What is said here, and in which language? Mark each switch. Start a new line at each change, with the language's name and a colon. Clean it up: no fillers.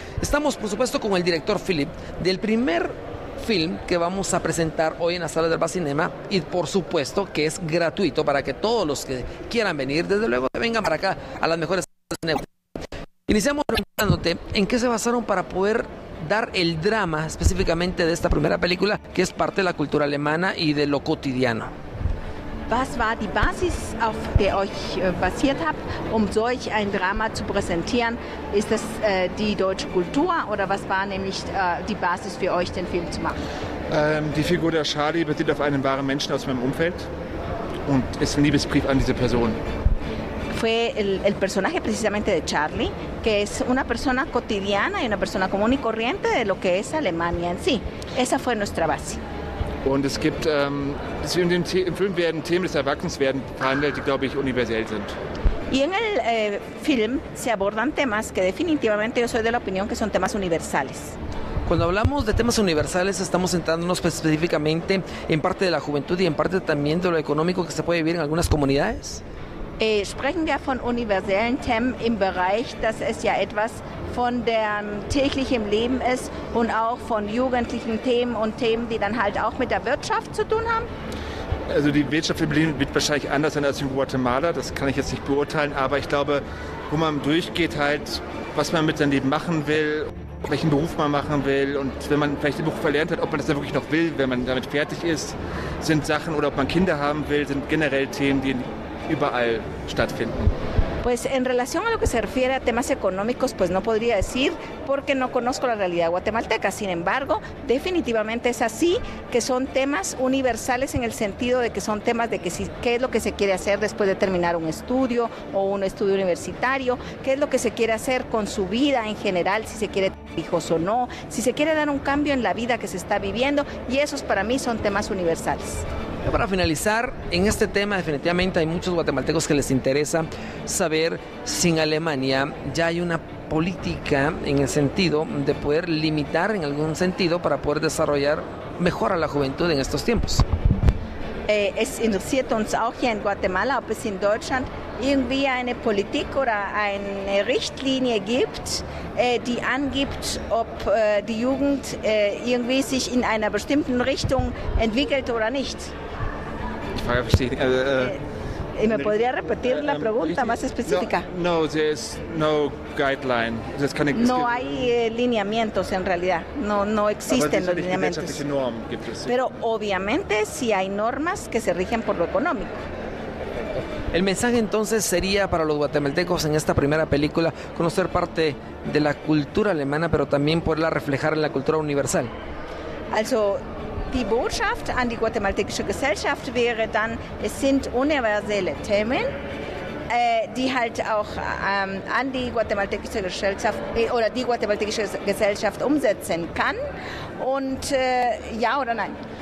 Spanish: Estamos, por supuesto, con el director Philip, del primer film que vamos a presentar hoy en la sala de Alba Cinema, y por supuesto que es gratuito para que todos los que quieran venir, desde luego, vengan para acá a las mejores salas de Guatemala. Iniciamos preguntándote en qué se basaron para poder dar el drama específicamente de esta primera película, que es parte de la cultura alemana y de lo cotidiano.
German: Was war die Basis, auf der euch basiert habt, um solch ein Drama zu präsentieren? Ist das die deutsche Kultur oder was war nämlich die Basis für euch, den Film zu machen? Die Figur der Charlie basiert auf einem wahren Menschen aus meinem Umfeld und ist ein Liebesbrief an diese Person.
Spanish: Fue el personaje precisamente de Charlie, que es una persona cotidiana y una persona común y corriente de lo que es Alemania en sí. Esa fue nuestra base.
German: Und es gibt im Film werden Themen des Erwachsenwerdens behandelt, die, glaube ich, universell sind.
Spanish: Y en el film se abordan temas que definitivamente yo soy de la opinión que son temas universales. Cuando hablamos de temas universales, estamos centrándonos específicamente en parte de la juventud y en parte también de lo económico que se puede vivir en algunas comunidades.
German: Sprechen wir von universellen Themen im Bereich, dass es ja etwas von dem täglichen Leben ist und auch von jugendlichen Themen und Themen, die dann halt auch mit der Wirtschaft zu tun haben? Also die Wirtschaft in Berlin wird wahrscheinlich anders sein als in Guatemala, das kann ich jetzt nicht beurteilen, aber ich glaube, wo man durchgeht halt, was man mit seinem Leben machen will, welchen Beruf man machen will und wenn man vielleicht den Beruf verlernt hat, ob man das dann wirklich noch will, wenn man damit fertig ist, sind Sachen oder ob man Kinder haben will, sind generell Themen, die überall stattfinden.
Spanish: Pues en relación a lo que se refiere a temas económicos, pues no podría decir porque no conozco la realidad guatemalteca. Sin embargo, definitivamente es así que son temas universales en el sentido de que son temas de que si, qué es lo que se quiere hacer después de terminar un estudio o un estudio universitario, qué es lo que se quiere hacer con su vida en general, si se quiere tener hijos o no, si se quiere dar un cambio en la vida que se está viviendo, y esos para mí son temas universales. Para finalizar, en este tema definitivamente hay muchos guatemaltecos que les interesa saber si en Alemania ya hay una política en el sentido de poder limitar en algún sentido para poder desarrollar mejor a la juventud en estos tiempos.
German: Es interesiert uns auch hier in Guatemala, ob es in Deutschland irgendwie eine Politik oder eine Richtlinie gibt, die angibt, ob die Jugend irgendwie sich in einer bestimmten Richtung entwickelt oder nicht. Die Frage verstehe ich nicht.
Spanish: ¿Me podría repetir la pregunta más específica?
English: No, no, there is no guideline. There's kind of,
Spanish: no hay lineamientos en realidad. No, no existen los lineamientos.
German: Norm, gibt es.
Spanish: Pero obviamente sí hay normas que se rigen por lo económico. El mensaje entonces sería para los guatemaltecos en esta primera película conocer parte de la cultura alemana, pero también poderla reflejar en la cultura universal.
German: Also, die Botschaft an die guatemaltekische Gesellschaft wäre dann, es sind universelle Themen, die halt auch an die guatemaltekische Gesellschaft oder die guatemaltekische Gesellschaft umsetzen kann. Und ja oder nein?